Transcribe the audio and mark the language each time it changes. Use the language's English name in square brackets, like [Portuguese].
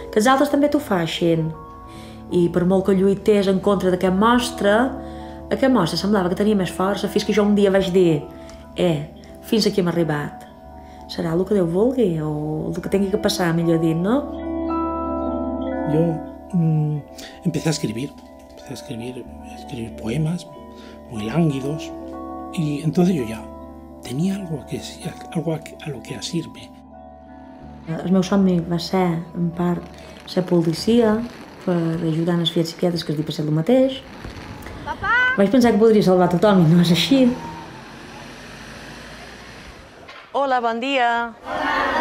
[Catalan] Que els altres també t'ho facin. I per molt que lluités en contra d'aquest monstre, aquest monstre semblava que tenia més força, fins que jo un dia vaig dir, fins aquí hem arribat. Serà el que Déu vulgui, o el que tingui que passar, millor dit, no? [Spanish] Yo empecé a escribir, escribir poemas muy lánguidos, y entonces yo ya tenía algo a, que, algo a lo que asirme. [Catalan] El meu somni va ser, en part, ser policia, per ajudar en els fiets i fiades, que es diu per ser el mateix. Papa! Vaig pensar que podria salvar tothom, i no és així. Hola, bon dia. Hola.